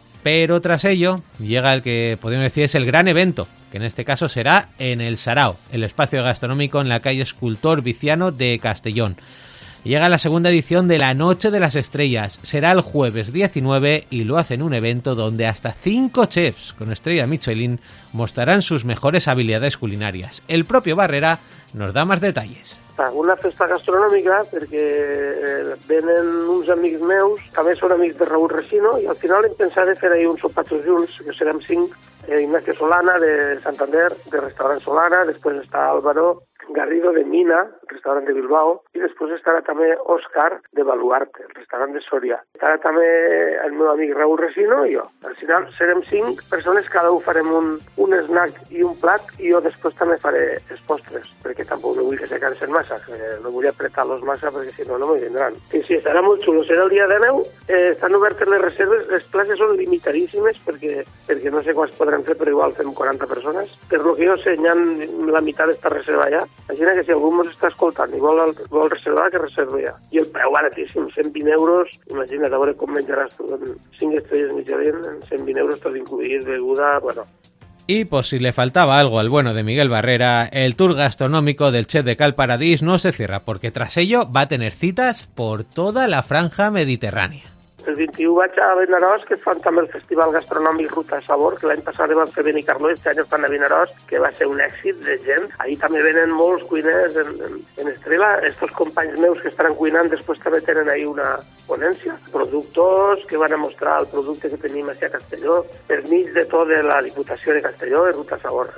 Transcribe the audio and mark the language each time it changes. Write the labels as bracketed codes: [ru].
[es] Pero tras ello, llega el que podemos decir es el gran evento, que en este caso será en el Sarao, el espacio gastronómico en la calle Escultor Viciano de Castellón. Llega la segunda edición de La Noche de las Estrellas, será el jueves 19 y lo hacen un evento donde hasta 5 chefs con estrella Michelin mostrarán sus mejores habilidades culinarias. El propio Barrera nos da más detalles. [ca] Una festa gastronòmica perquè venen uns amics meus, també són amics de Raúl Resino, i al final hem pensat de fer ahir uns sopatxos junts, que serem 5, Ignacio Solana de Santander, de Restaurant Solana, després està Álvaro Garrido de Mina, restaurant de Bilbao, i després estarà també Òscar de Baluarte, restaurant de Soria. Estarà també el meu amic Raúl Resino i jo. Al final serem 5 persones, cada un farem un snack i un plat, i jo després també faré els postres, perquè tampoc no vull que se cansen massa, no vull apretar-los massa perquè si no, no me vindran. I sí, estarà molt xulo, serà el dia de neu, estan obertes les reserves, les places són limitadíssimes perquè no sé quan es podran fer, però igual fem 40 persones. Per lo que jo sé, hi ha la meitat d'esta reserva ja. Imagina que si algú mos està escoltant i vol reservar, que reservi ja. I el preu baratíssim, 120 euros, imagina't a veure com menjaràs tu en 5 estrelles Michelin, en 120 euros tot incluït, beguda, bueno. [es] Y pues si le faltaba algo al bueno de Miguel Barrera, el tour gastronómico del chef de Cal Paradís no se cierra, porque tras ello va a tener citas por toda la franja mediterránea. [ca] El 21 vaig a Vinaròs, que fan també el Festival Gastronòmic Ruta de Sabor, que l'any passat van fer Benicarló, este any fan a Vinaròs, que va ser un èxit de gent. Ahir també venen molts cuiners en Estrela. Estos companys meus que estaran cuinant després també tenen ahir una ponència. Productors que van a mostrar el producte que tenim aquí a Castelló, per mig de tot de la Diputació de Castelló, de Ruta de Sabor.